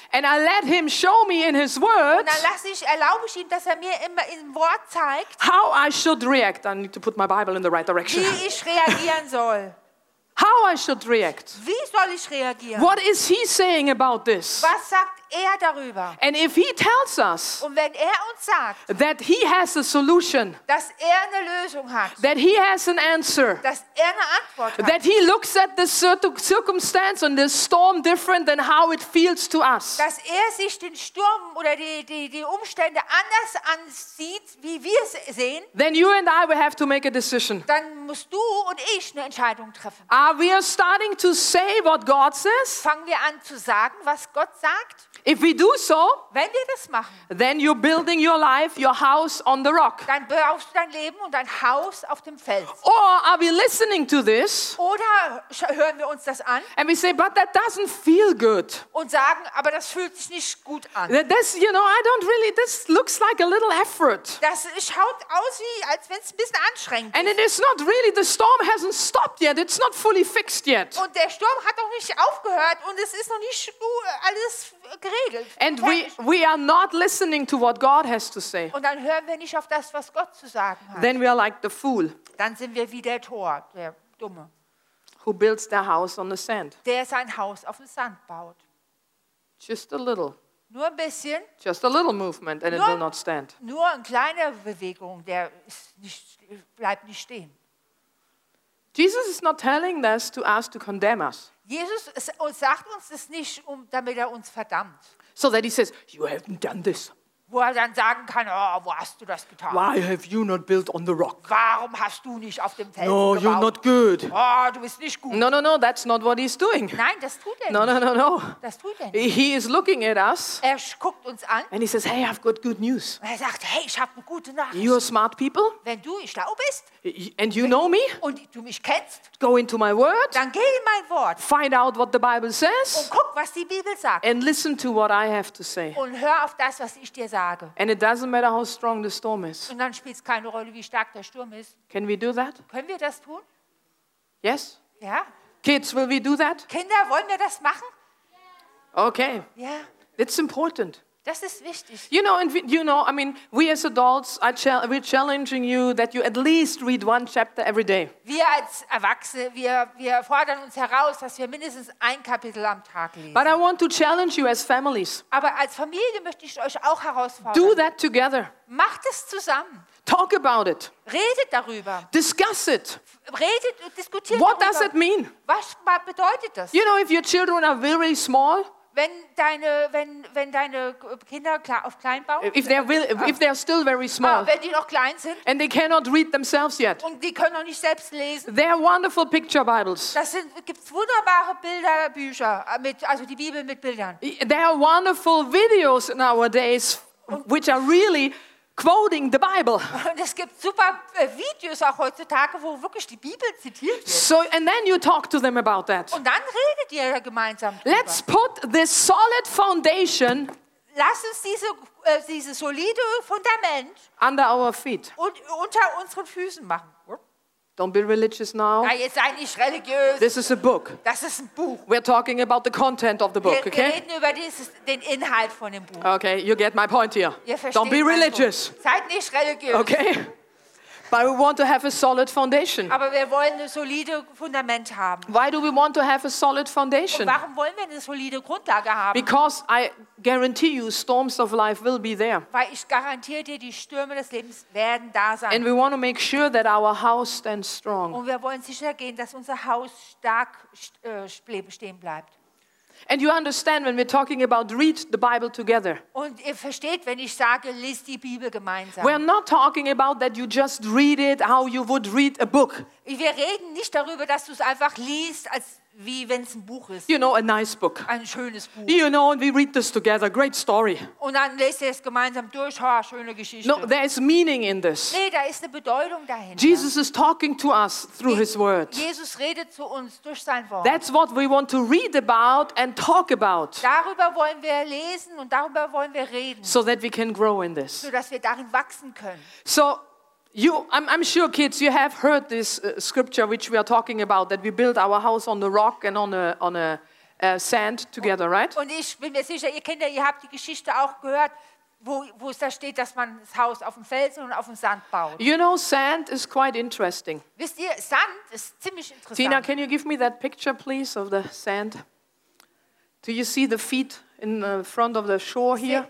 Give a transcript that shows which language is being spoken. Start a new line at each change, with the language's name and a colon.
English: And I let him show me in his word.
German: Und dann erlaube ich ihm, dass er mir immer im Wort zeigt.
English: How I should react. I need to put my Bible in the right direction.
German: Wie ich reagieren soll.
English: How I should react?
German: Wie soll ich reagieren?
English: What is he saying about this?
German: Was sagt er darüber?
English: And if he tells us,
German: und wenn er uns sagt,
English: that he has a solution,
German: dass er eine Lösung hat,
English: that he has an answer,
German: dass er eine Antwort hat,
English: that he looks at the circumstance and the storm different than how it feels to us,
German: dass er sich den Sturm oder die Umstände anders ansieht, wie wir es sehen,
English: then you and I will have to make a decision.
German: Dann musst du und ich eine Entscheidung treffen.
English: Are we starting to say what God says?
German: Fangen wir an zu sagen, was Gott sagt?
English: If we do so,
German: wenn wir das machen,
English: then you're building your life, your house on the rock.
German: Dann baust du dein Leben und dein Haus auf dem Fels.
English: Or are we listening to this?
German: Oder hören wir uns das an?
English: And we say, but that doesn't feel good.
German: Und sagen, aber das fühlt sich nicht gut an.
English: This, you know, I don't really. This looks like a little effort.
German: Das schaut aus wie, als wenn es ein bisschen anstrengend.
English: And it is not really. The storm hasn't stopped yet. It's not fully fixed yet.
German: Und der Sturm hat noch nicht aufgehört und es ist noch nicht alles geregelt.
English: And we are not listening to what God has to say.
German: Und dann hören wir nicht auf das, was Gott zu sagen hat.
English: Then we are like the fool.
German: Dann sind wir wie der Tor, der Dumme.
English: Who builds their house on the sand.
German: Der sein Haus auf dem Sand baut.
English: Just a little.
German: Nur ein bisschen.
English: Just a little movement and it will not stand.
German: Nur eine kleine Bewegung, der bleibt nicht stehen.
English: Jesus is not telling this to us to condemn us.
German: Jesus sagt uns das nicht, damit er uns verdammt.
English: So that he says, you haven't done this.
German: wo er dann sagen kann, oh, wo hast du das getan?
English: Why have you not built on the rock?
German: Warum hast du nicht auf dem Felsen
English: no,
German: gebaut?
English: No, you're not good.
German: Oh, du bist nicht gut.
English: No, no, no, that's not what he's doing.
German: Nein, das tut er
English: no,
German: nicht.
English: No, no, no, no.
German: Das tut er nicht.
English: He is looking at us.
German: Er guckt uns an.
English: And he says, hey, I've got good news.
German: Und er sagt, hey, ich habe eine gute Nachricht.
English: You are smart people.
German: Wenn du schlau bist.
English: And you know me.
German: Und du mich kennst.
English: Go into my word.
German: Dann geh in mein Wort.
English: Find out what the Bible says.
German: Und guck, was die Bibel sagt.
English: And listen to what I have to say.
German: Und hör auf das, was ich dir sage.
English: And it doesn't matter how strong the storm is.
German: Und dann spielt's keine Rolle, wie stark der Sturm ist.
English: Can we do that?
German: Können wir das tun?
English: Yes?
German: Ja.
English: Kids, will we do that?
German: Kinder, wollen wir das machen?
English: Okay.
German: Ja.
English: It's important.
German: Das ist wichtig.
English: You know, and we, you know, I mean, we as adults, we're challenging you that you at least read one chapter every day.
German: Wir als Erwachsene, wir fordern uns heraus, dass wir mindestens ein Kapitel am Tag lesen.
English: But I want to challenge you as families.
German: Aber als Familie möchte ich euch auch herausfordern.
English: Do that together.
German: Macht es zusammen.
English: Talk about it.
German: Redet darüber.
English: Discuss it.
German: Redet und diskutiert
English: what
German: darüber.
English: What does it mean?
German: Was bedeutet das?
English: You know, if your children are very small.
German: Wenn deine Kinder auf klein bauen,
English: if they're still very small,
German: wenn die noch klein sind,
English: and they cannot read themselves yet,
German: und die können noch nicht selbst lesen,
English: they're wonderful picture Bibles.
German: Das gibt's wunderbare Bilderbücher mit, also die Bibel mit Bildern.
English: There are wonderful videos nowadays, which are really quoting the Bible.
German: Und es gibt super Videos auch heutzutage, wo wirklich die Bibel zitiert wird.
English: So, and then you talk to them about that.
German: Und dann redet ihr gemeinsam drüber.
English: Let's put this solid foundation.
German: Lass uns diese solide Fundament
English: under our feet.
German: Und unter unseren Füßen machen.
English: Don't be religious now.
German: Ja, jetzt sei nicht religiös.
English: This is a book.
German: Das ist ein Buch.
English: We're talking about the content of the book, okay?
German: Wir reden über den Inhalt von dem Buch.
English: Okay, you get my point here. Don't be religious.
German: Seid nicht religiös.
English: Okay? But we want to have a solid foundation.
German: Aber wir wollen ein solides Fundament haben.
English: Why do we want to have a solid foundation?
German: Und warum wollen wir eine solide Grundlage haben?
English: Because I guarantee you, storms of life will be there.
German: Weil ich garantiere dir, die Stürme des Lebens werden da sein.
English: And we want to make sure that our house stands strong.
German: Und wir wollen sicher gehen, dass unser Haus stark stehen bleibt.
English: And you understand when we're talking about read the Bible together.
German: Und ihr versteht, wenn ich sage, lest die Bibel gemeinsam.
English: We're not talking about that you just read it how you would read a book.
German: Wir reden nicht darüber, dass du es einfach liest, als wie wenn es ein Buch ist.
English: You know, a nice book.
German: Ein schönes Buch.
English: You know, and we read this together. Great story.
German: Und dann lest ihr es gemeinsam durch. Oh, schöne Geschichte.
English: No, there is meaning in this.
German: Nee, da ist eine Bedeutung dahinter.
English: Jesus is talking to us through his word.
German: Jesus redet zu uns durch sein Wort.
English: That's what we want to read about and talk about.
German: Darüber wollen wir lesen und darüber wollen wir reden.
English: So that we can grow in this.
German: So dass wir darin wachsen können.
English: So, you, I'm sure, kids, you have heard this scripture which we are talking about, that we build our house on the rock and on a sand together, right?
German: Und ich bin mir sicher, ihr Kinder, ihr habt die Geschichte auch gehört, wo es da steht, dass man das Haus auf dem Felsen und auf dem Sand baut.
English: You know, sand is quite interesting.
German: Wisst ihr, Sand ist ziemlich interessant.
English: Tina, can you give me that picture, please, of the sand? Do you see the feet in the front of the shore here?